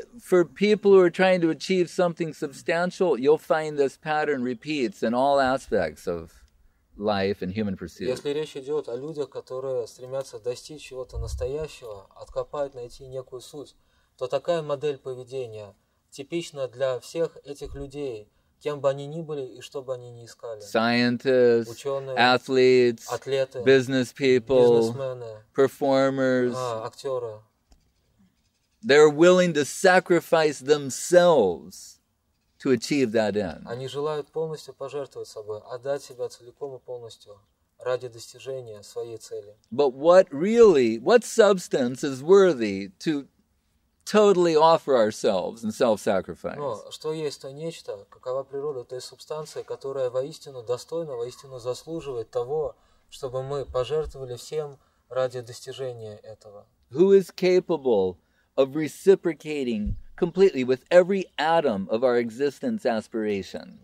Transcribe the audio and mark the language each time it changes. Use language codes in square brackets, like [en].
[en] For people who are trying to achieve something substantial, you'll find this pattern repeats in all aspects of life and human pursuit. [ru] Если речь идет о людях, которые стремятся достичь чего-то настоящего, откопать, найти некую суть, то такая модель поведения типична для всех этих людей, кем бы они ни были и что бы они ни искали. [en] Scientists, [ru] ученые, [en] athletes, [ru] атлеты, [en] business people, [ru] бизнесмены, [en] performers, [ru] актеры. [en] They're willing to sacrifice themselves to achieve that end. [ru] Они желают полностью пожертвовать собой, отдать себя целиком и полностью ради достижения своей цели. [en] But what really, what substance is worthy to totally offer ourselves and self-sacrifice? [ru] Но что есть то нечто, какова природа той субстанции, которая воистину достойна, воистину заслуживает того, чтобы мы пожертвовали всем ради достижения этого? [en] Who is capable of reciprocating completely with every atom of our existence aspiration?